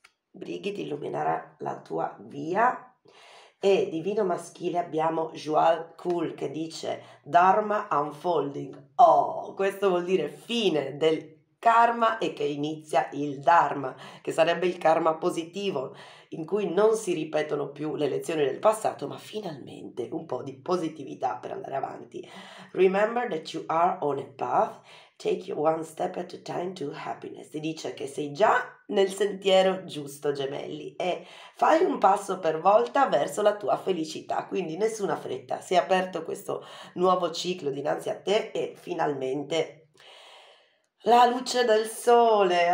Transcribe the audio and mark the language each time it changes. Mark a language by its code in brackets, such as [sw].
[it] Brigitte illuminerà la tua via. E divino maschile abbiamo Joie Cool che dice Dharma Unfolding. Oh, questo vuol dire fine del karma e che inizia il Dharma, che sarebbe il karma positivo, in cui non si ripetono più le lezioni del passato, ma finalmente un po' di positività per andare avanti. [en] Remember that you are on a path, take you one step at a time to happiness. [it] Ti dice che sei già nel sentiero giusto, gemelli, e fai un passo per volta verso la tua felicità, quindi nessuna fretta. Si è aperto questo nuovo ciclo dinanzi a te e finalmente la luce del sole.